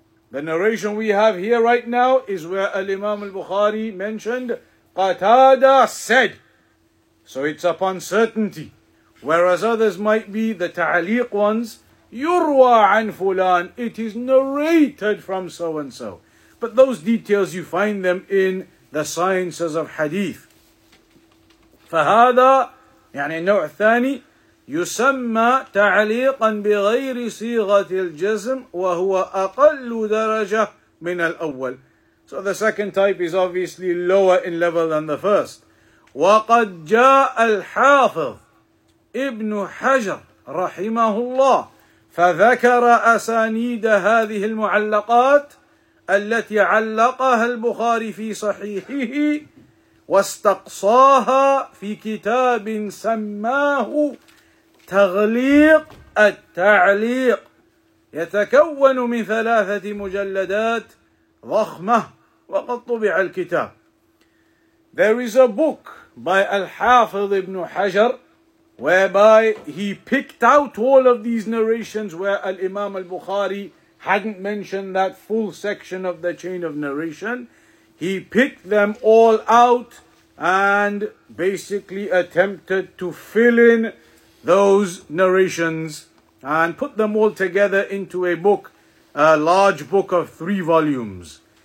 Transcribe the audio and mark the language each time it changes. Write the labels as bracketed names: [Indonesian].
[English] The narration we have here right now is where Al-Imam al-Bukhari mentioned, Qatada said. So it's upon certainty. Whereas others might be the ta'liq ones, [Arabic] يُرْوَى عَنْ فُلَانِ [English] It is narrated from so-and-so. But those details you find them in the sciences of hadith. [Arabic] فَهَذَا يعني النوع الثاني يسمى تعليقا بغير صيغة الجزم وهو أقل درجة من الأول. [English] So the second type is obviously lower in level than the first. [Arabic] وقد جاء الحافظ ابن حجر رحمه الله فذكر أسانيد هذه المعلقات التي علقها البخاري في صحيحه واستقصاها في كتاب سماه تغليق التعليق يتكون من ثلاثة مجلدات ضخمة وقد طبع الكتاب. [English] There is a book by Al-Hafidh ibn Hajar whereby he picked out all of these narrations where Al-Imam al-Bukhari hadn't mentioned that full section of the chain of narration. He picked them all out and basically attempted to fill in those narrations and put them all together into a book, a large book of 3 volumes.